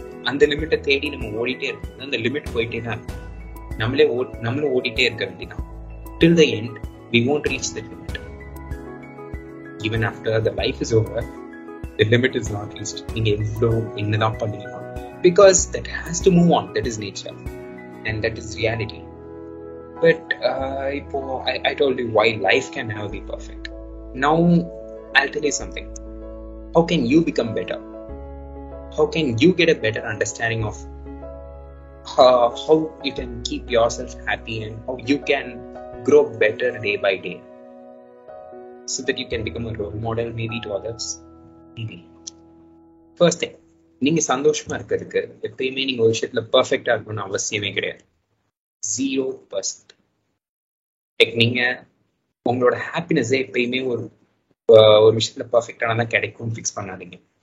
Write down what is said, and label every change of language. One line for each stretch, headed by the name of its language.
Tamil: அந்த லிமிட்டை தேடி நம்ம ஓடிட்டே இருக்கோம். அந்த லிமிட் போயிட்டே தான் இருக்கும். நம்மளே ஓடிட்டே இருக்க வேண்டியதான்.
English: Till the end, we won't reach the limit. Even after the life is over, the limit is not reached.
Tamil: நீங்க எவ்வளோ என்னதான் பண்ணீங்களோ.
English: Because that has to move on. That is nature. And that is reality. But I told you why life can never be perfect. Now, I'll tell you something. How can you become better? How can you get a better understanding of how you can keep yourself happy and how you can grow better day by day? So that you can become a role model maybe to others? Maybe. First thing,
Tamil: நீங்க சந்தோஷமா இருக்கிறதுக்கு எப்பயுமே நீங்க ஒரு விஷயத்துல பர்ஃபெக்டா இருக்கணும்னு அவசியமே கிடையாது. 0%. நீங்க உங்களோட ஹாப்பினஸ் எப்பயுமே ஒரு விஷயத்துல பர்ஃபெக்டானதான் கிடைக்கும் ஃபிக்ஸ் பண்ணாதீங்க.